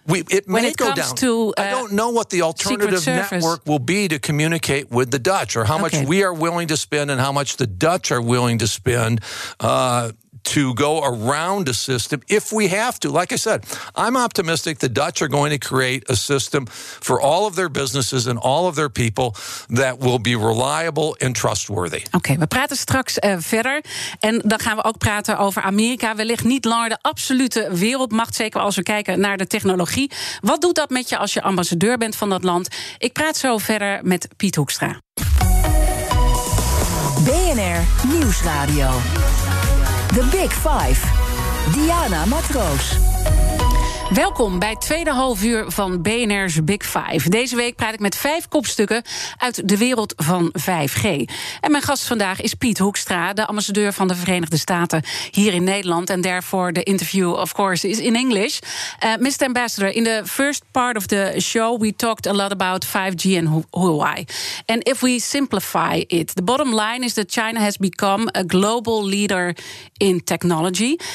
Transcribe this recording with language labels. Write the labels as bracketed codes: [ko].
[en] I don't know what the alternative network will be to communicate with the Dutch or how much we are willing to spend and how much the Dutch are willing to spend to go around a system if we have to. Like I said, I'm optimistic the Dutch are going to create a system for all of their businesses and all of their people that will be reliable and trustworthy. [nl] Okay, we praten straks verder. En dan gaan we ook praten over Amerika. Wellicht niet langer de absolute wereldmacht, zeker als we kijken naar de technologie. Wat doet dat met je als je ambassadeur bent van dat land? Ik praat zo verder met Piet Hoekstra. BNR Nieuwsradio. The Big Five. Diana Matroos. Welkom bij het tweede halfuur van BNR's Big Five. Deze week praat ik met 5 kopstukken uit de wereld van 5G. En mijn gast vandaag is Piet Hoekstra, de ambassadeur van de Verenigde Staten hier in Nederland. [en] En therefore the interview, of course, is in English. Mr. Ambassador, in the first part of the show, we talked a lot about 5G and Huawei. And if we simplify it, the bottom line is that China has become a global leader in technology.